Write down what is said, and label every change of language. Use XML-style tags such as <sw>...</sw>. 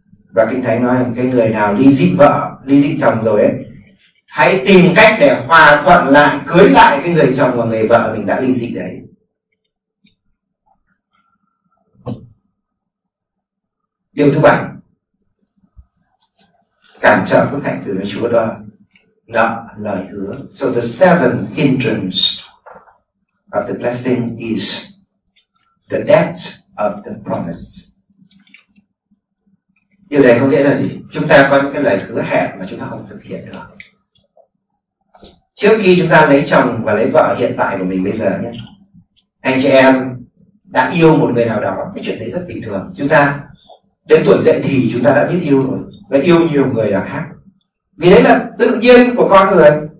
<vi>Và Kinh Thánh nói rằng cái người nào ly dị vợ, ly dị chồng rồi ấy, hãy tìm cách để hòa thuận lại, cưới lại cái người chồng và người vợ mình đã ly dị đấy. Điều thứ bảy cản trở phước hạnh từ nơi Chúa đó là lời hứa.</vi> <en>So the seventh hindrance of the blessing is the death of the promise.</en> <vi>Điều này có nghĩa là gì? Chúng ta có những cái lời hứa hẹn mà chúng ta không thực hiện được. Trước khi chúng ta lấy chồng và lấy vợ hiện tại của mình bây giờ nhé, anh chị em đã yêu một người nào đó, cái chuyện đấy rất bình thường. Chúng ta đến tuổi dậy thì chúng ta đã biết yêu rồi, và yêu nhiều người là khác, vì đấy là tự nhiên của con người.</vi>